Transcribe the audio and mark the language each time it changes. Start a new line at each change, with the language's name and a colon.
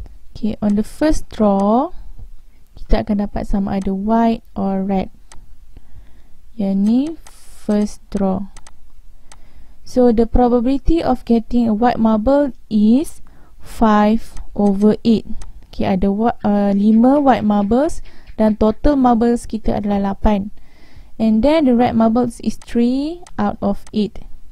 English: Okay, on the first draw
Malay: kita akan dapat sama ada
English: white or red.
Malay: Yang ni
English: first draw. So the probability of getting a white marble is 5 over 8.
Malay: Okay, ada 5 white marbles dan total marbles kita adalah 8.
English: And then the red marbles is 3 out of 8.